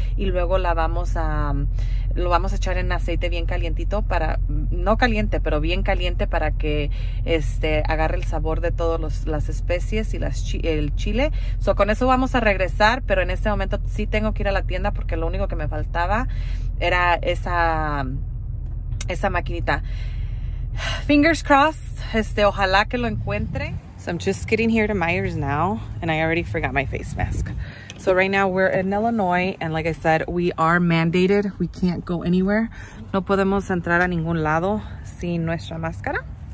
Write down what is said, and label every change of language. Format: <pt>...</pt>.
<es>Y luego lo vamos a echar en aceite bien calientito para, no caliente, pero bien caliente para que agarre el sabor de todas las especias y el chile. So, con eso vamos a regresar, pero en este momento sí tengo que ir a la tienda porque lo único que me faltaba era esa maquinita.</es> <en>Fingers crossed,</en> <es>ojalá que lo encuentre.</es> <en>So I'm just getting here to Meijer's now, and I already forgot my face mask. So right now we're in Illinois, and like I said, we are mandated. We can't go anywhere.</en> <es>No podemos entrar a ningún lado sin nuestra máscara.</es>